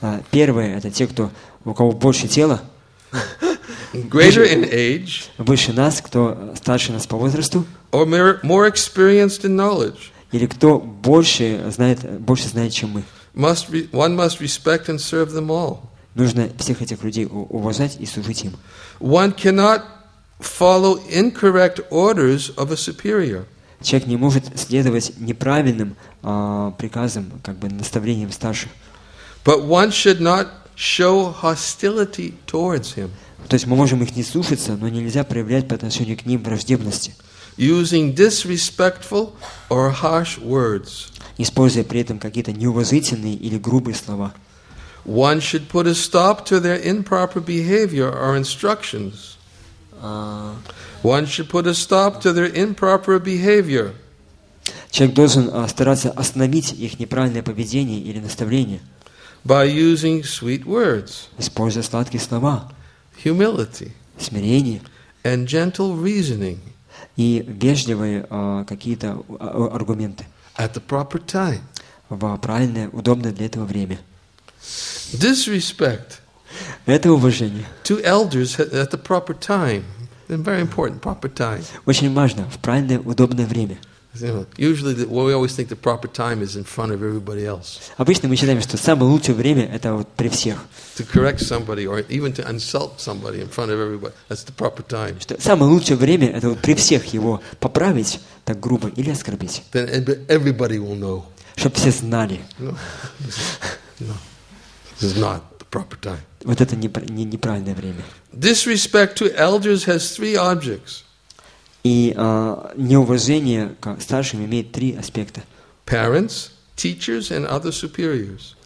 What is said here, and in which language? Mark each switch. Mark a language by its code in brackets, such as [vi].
[ru] Первые это те, кто у кого больше тела. [en] Greater in age. [ru] Выше нас, кто старше нас по возрасту. [en] Or more experienced in knowledge. [ru] Или кто больше знает, чем мы. [en] One must respect and serve them all. [ru] Нужно всех этих людей уважать и служить им. [en] One cannot follow incorrect orders of a superior. [ru] Человек не может следовать неправильным приказам, как бы наставлениям старших. [en] But one should not show hostility towards him. [ru] То есть мы можем их не слушаться, но нельзя проявлять по отношению к ним враждебности. [en] Using disrespectful or harsh words. [ru] Используя при этом какие-то неуважительные или грубые слова. [en] One should put a stop to their improper behavior or instructions. One should put a stop to their improper behavior. [ru] Человек должен стараться остановить их неправильное поведение или наставление. [en] By using sweet words. [ru] Используя сладкие слова. [en] Humility. [ru] Смирение. [en] And gentle reasoning. [ru] И вежливые какие-то аргументы. [en] At the proper time. [ru] В правильное, удобное для этого время. [en] Disrespect. [ru] Это уважение. [en] To elders at the proper time. Very important, proper time. [ru] Очень важно, в правильное, удобное время. [en] Usually, we always think the proper time is in front of everybody else. [ru] Обычно мы считаем, что самое лучшее время это вот при всех. [en] To correct somebody or even to insult somebody in front of everybody—that's the proper time. [ru] Что самое лучшее время это вот при всех его поправить так грубо или оскорбить. [en] Then everybody will know. [ru] Чтобы все знали. [en] No, this is not the proper time. [ru] Вот это неправильное время. [en] Disrespect to elders has three objects. [ru] И неуважение к старшим имеет три аспекта. [en] Parents, teachers, and other superiors.